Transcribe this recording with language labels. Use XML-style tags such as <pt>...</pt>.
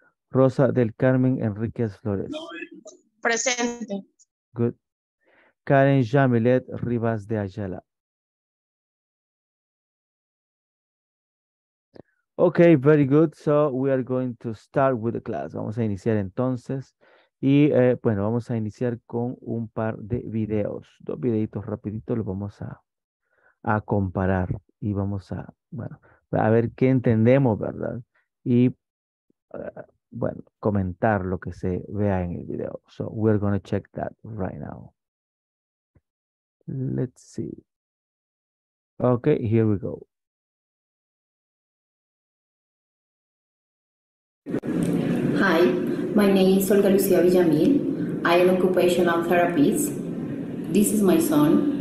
<es>Rosa del Carmen Enríquez Flores.</es> <en>Present. Good. Karen Jamilet Rivas de Ayala. Okay, very good. So we are going to start with the class.</en> <es>Vamos a iniciar entonces. Y bueno, vamos a iniciar con un par de videos. Dos videitos rapidito los vamos a comparar. Y vamos a, bueno, a ver qué entendemos, ¿verdad? Y bueno, comentar lo que se vea en el video.</es> <en>So we are going to check that right now. Let's see. Okay, here we go. Hi, my name is Olga Lucia Villamil. I am occupational therapist. This is my son.</en>